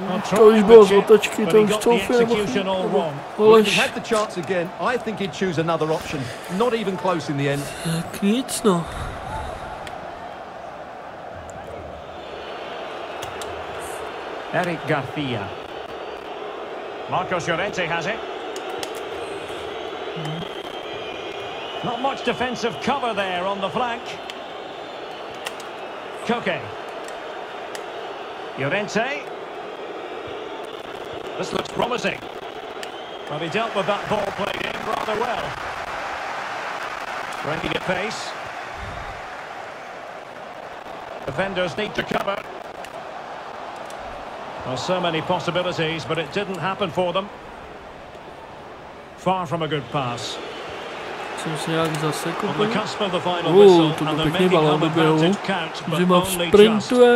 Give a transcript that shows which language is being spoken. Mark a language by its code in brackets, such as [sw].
[cs] To už bylo z otočky, to už Tofi nebo chvíli. Oleš. [en] If he had the chance again, I think he'd choose another option. Not even close in the end. [cs] Tak nic, no. [en] Eric Garcia. Marcos Llorente has it. Not much defensive cover there on the flank. Koke. Llorente. This looks promising. Well, he dealt with that ball played in rather well. Breaking at pace. Defenders need to cover. Well, so many possibilities, but it didn't happen for them. Far from a good pass. [cs] jsem se nějak zasekl. To bylo pěkný balón do běhu. Zima sprintuje.